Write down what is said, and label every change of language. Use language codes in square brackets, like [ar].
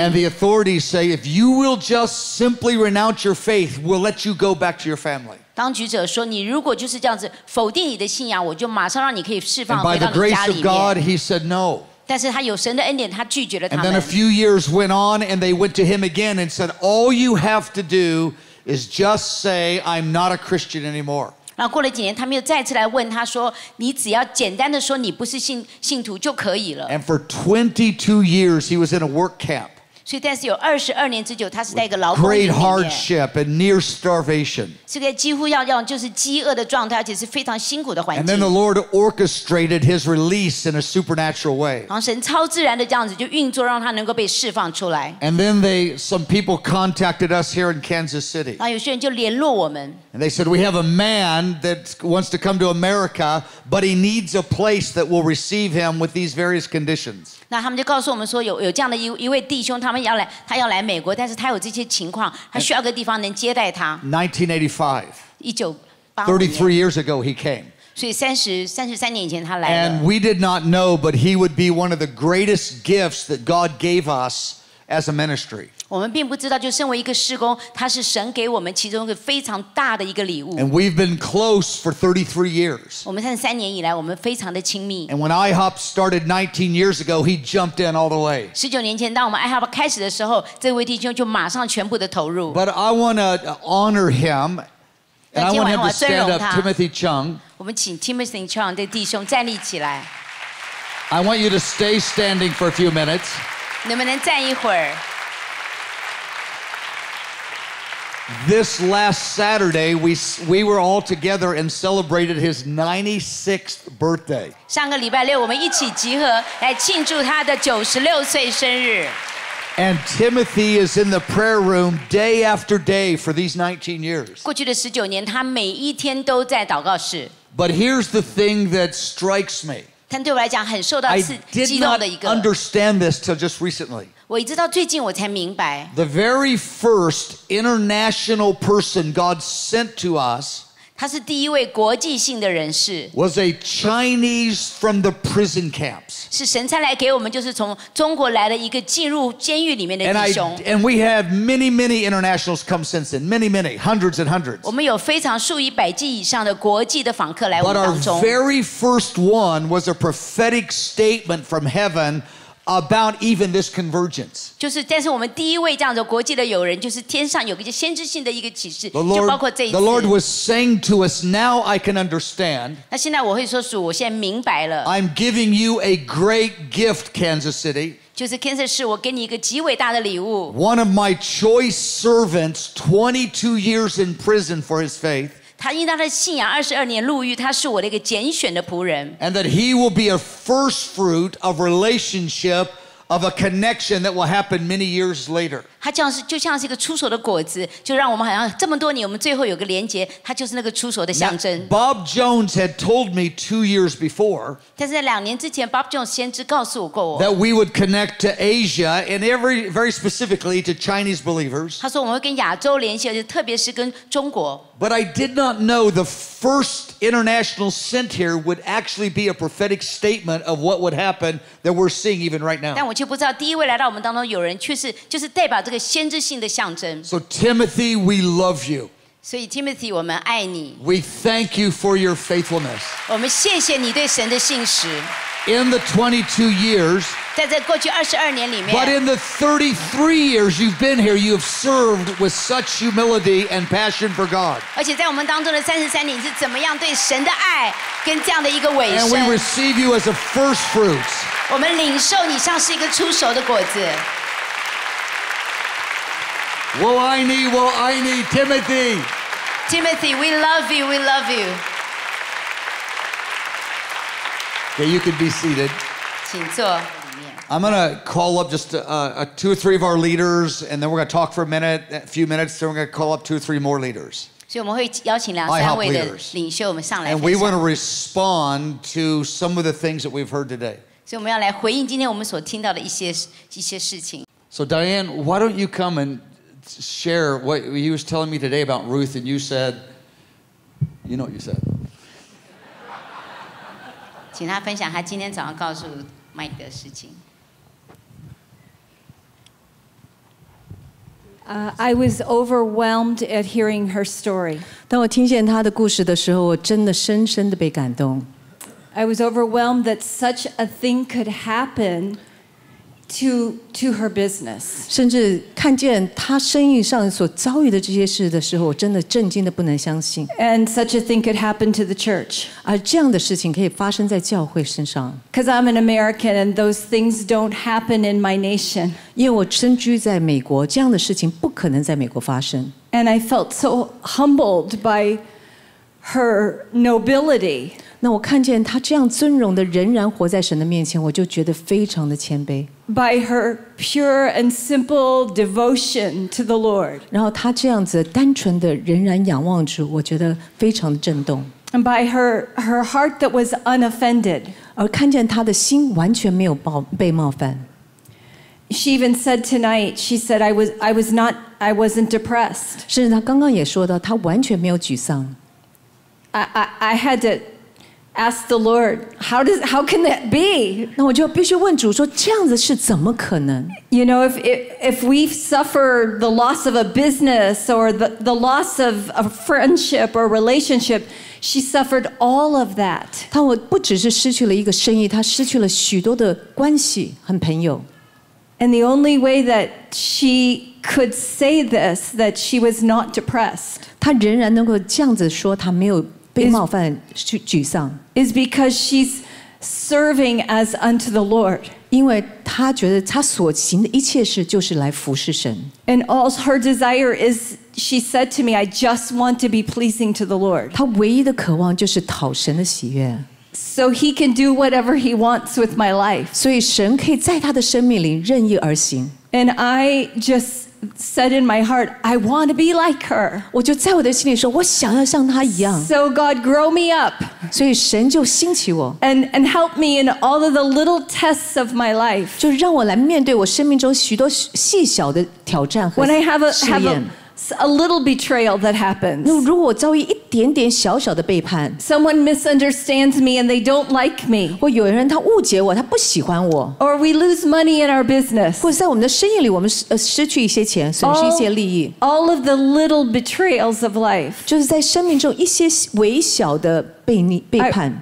[en] And the authorities say, if you will just simply renounce your faith, we'll let you go back to your family. [zh] 当局者说，你如果就是这样子否定你的信仰，我就马上让你可以释放回到你家里面。 [en] By the grace of God, he said no. [zh] 但是他有神的恩典，他拒绝了他们。 [en] And then a few years went on, and they went to him again and said, all you have to do is just say, I'm not a Christian anymore. [zh] 然后过了几年，他们又再次来问他说：“你只要简单的说你不是信徒就可以了。” [en] And for 22 years, he was in a work camp. [zh] 所以，但是有22年之久，他是在一个劳工里面。 [en] Great hardship and near starvation. [zh] 是个几乎要就是饥饿的状态，而且是非常辛苦的环境。 [en] And then the Lord orchestrated his release in a supernatural way. [zh] 然后神超自然的这样子就运作，让他能够被释放出来。 [en] And then some people contacted us here in Kansas City. [zh] 然后有些人就联络我们。 [en] And they said, we have a man that wants to come to America, but he needs a place that will receive him with these various conditions. [zh] 那他们就告诉我们说有这样的一位弟兄，他要来美国，但是他有这些情况，他需要个地方能接待他。 [en] 1985. 33 years ago, he came. [zh] 所以33年以前他来了。 [en] And we did not know, but he would be one of the greatest gifts that God gave us as a ministry. [zh] 我们并不知道，就身为一个事工，他是神给我们其中一个非常大的一个礼物。 [en] And we've been close for 33 years. [zh] 我们33年以来，我们非常的亲密。 [en] And when IHOP started 19 years ago, he jumped in all the way. [zh] 19年前，当我们 IHOP 开始的时候，这位弟兄就马上全部的投入。 [en] But I want to honor him, and I want him to stand up, Timothy Chung. [zh] 我们请 Timothy Chung 这弟兄站立起来。 [en] I want you to stay standing for a few minutes. [zh] 能不能站一会儿？ [en] This last Saturday, we were all together and celebrated his 96th birthday. [zh] 上个礼拜六，我们一起集合来庆祝他的96岁生日。 [en] And Timothy is in the prayer room day after day for these 19 years. [zh] 过去的十九年，他每一天都在祷告室。 [en] But here's the thing that strikes me. [zh] 但对我来讲，很受到激动的一个。 [en] I did not understand this till just recently. [zh] 我一直到最近我才明白。 [en] The very first international person God sent to us. [zh] 他是第一位国际性的人士。 [en] Was a Chinese from the prison camps. [zh] 是神差来给我们，就是从中国来的一个进入监狱里面的弟兄。 [en] And we have many, many internationals come since then. Many, many, hundreds and hundreds. [zh] 我们有非常数以百计以上的国际的访客来我们当中。 [en] But our very first one was a prophetic statement from heaven. About even this convergence, [zh] 就是但是我们第一位这样的国际的友人，就是天上有一个先知性的一个启示，就包括这一次。 [en] The Lord was saying to us, "Now I can understand." [zh] 那现在我会说主，我现在明白了。 [en] I'm giving you a great gift, Kansas City. [zh] 就是 Kansas 市，我给你一个极伟大的礼物。 [en] One of my choice servants, 22 years in prison for his faith. [zh] 他因他的信仰二十二年入狱，他是我的一个拣选的仆人。 [en] And that he will be a first fruit of relationship of a connection that will happen many years later. [zh] 他像是就像是一个出手的果子，就让我们好像这么多年，我们最后有个连结，他就是那个出手的象征。 [en] Now, Bob Jones had told me 2 years before. [zh] 但是在两年之前 ，Bob Jones 先知告诉我过我。 [en] That we would connect to Asia and very specifically to Chinese believers. [zh] 他说我们会跟亚洲联系，而且特别是跟中国。 [en] But I did not know the first international sent here would actually be a prophetic statement of what would happen that we're seeing even right now. [zh] 但我却不知道第一位来到我们当中有人却是就是代表这个先知性的象征。 [en] So Timothy, we love you. [zh] 所以 Timothy, 我们爱你。 [en] We thank you for your faithfulness. [zh] 我们谢谢你对神的信实。 [en] In the 22 years, [zh] 在这过去二十二年里面 [en] but in the 33 years you've been here, you have served with such humility and passion for God. [zh] 而且在我们当中的三十三年，是怎么样对神的爱跟这样的一个委身 [en] And we receive you as a first fruits. [zh] 我们领受你像是一个出熟的果子。我爱你 Timothy. [en] Timothy, we love you. Okay, you can be seated. [zh] 请坐。 [en] I'm going to call up just two or three of our leaders, and then we're going to talk for a few minutes, then we're going to call up two or three more leaders. [zh] 所以我们会邀请两三位的领袖我们上来。 [en] And we want to respond to some of the things that we've heard today. [zh] 所以我们要来回应今天我们所听到的一些事情。 [en] So Diane, why don't you come and share what he was telling me today about Ruth, and you said, you know what you said. [zh] 请他分享他今天早上告诉 Mike 的事情。 [en] I was overwhelmed at hearing her story. [zh] 当我听见她的故事的时候，我真的深深的被感动。 [en] I was overwhelmed that such a thing could happen to her business. [zh] 甚至看见她生意上所遭遇的这些事的时候，我真的震惊的不能相信。 [en] And such a thing could happen to the church. [zh] 而这样的事情可以发生在教会身上。 [en] Because I'm an American and those things don't happen in my nation. [zh] 因为我身居在美国，这样的事情不可能在美国发生。 [en] And I felt so humbled by her nobility. [zh] 那我看见她这样尊荣的仍然活在神的面前，我就觉得非常的谦卑。 [en] By her pure and simple devotion to the Lord. [zh] 然后她这样子单纯的仍然仰望主，我觉得非常的震动。 [en] And by her heart that was unoffended. [zh] 而看见她的心完全没有被冒犯。 [en] She even said tonight. She said I wasn't depressed. [zh] 甚至她刚刚也说到，她完全没有沮丧。 [en] I had to. Ask the Lord, how can that be? [zh] 那我就必须问主说，这样子是怎么可能 [en] ？You know, if we suffer the loss of a business or the loss of a friendship or relationship, she suffered all of that. [zh] 她不只是失去了一个生意，她失去了许多的关系和朋友。 [en] And the only way that she could say this, that she was not depressed. [zh] 她仍然能够这样子说，她没有。被冒犯沮丧 [en] is because she's serving as unto the Lord. [zh] 因为她觉得她所行的一切事就是来服侍神 [en] And all her desire is, she said to me, I just want to be pleasing to the Lord. [zh] 她唯一的渴望就是讨神的喜悦 [en] So he can do whatever he wants with my life. [zh] 所以神可以在她的生命里任意而行 [en] And I just. Said in my heart, I want to be like her. [zh] 我就在我的心里说，我想要像她一样。 [en] So God, grow me up. [zh] 所以神就兴起我。 [en] And help me in all of the little tests of my life. [zh] 就让我来面对我生命中许多细小的挑战和试验。 [en] When I have a little betrayal that happens. [zh] 那如果我遭遇一点点小小的背叛。 [en] Someone misunderstands me and they don't like me. [zh] 或有人他误解我，他不喜欢我。 [en] Or we lose money in our business. [zh] 或在我们的生意里，我们失去一些钱，损失一些利益。 [en] All of the little betrayals of life. [zh] 就是在生命中一些微小的背叛。